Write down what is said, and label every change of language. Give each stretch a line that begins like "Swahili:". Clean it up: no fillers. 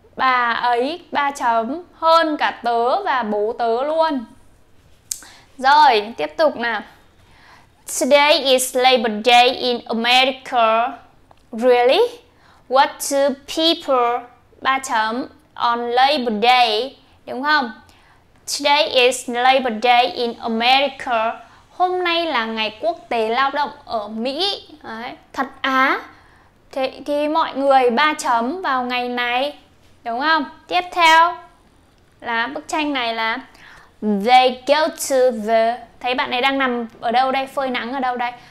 Vietnamese: Bà ấy ba chấm hơn cả tớ và bố tớ luôn. Rồi, tiếp tục nào.
English: Today is Labor Day in America. Really? What do people
Vietnamese: ba chấm
English: on Labor Day?
Vietnamese: Đúng không?
English: Today is Labor Day in America.
Vietnamese: Hôm nay là ngày quốc tế lao động ở Mỹ. Đấy, thật á? Thế thì mọi người ba chấm vào ngày này. Đúng không? Tiếp theo là bức tranh này là
English: They go to the...
Vietnamese: Thấy bạn này đang nằm ở đâu đây? Phơi nắng ở đâu đây?